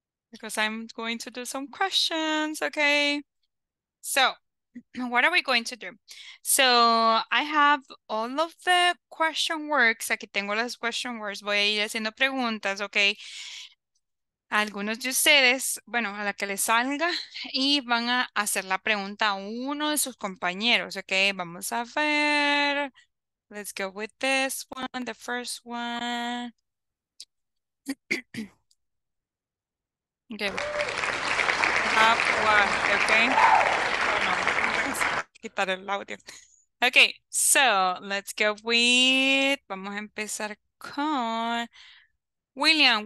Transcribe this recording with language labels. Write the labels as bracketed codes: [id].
[en] because I'm going to do some questions, okay? So, what are we going to do? So, I have all of the question works. [es] Aquí tengo las question words. Voy a ir haciendo preguntas, okay? Algunos de ustedes, bueno, a la que les salga, y van a hacer la pregunta a uno de sus compañeros, okay? Vamos a ver. [en] Let's go with this one, the first one. Okay. Top one, okay? [es] Quitar el audio. [en] Okay, so let's go with, [es] vamos a empezar con William.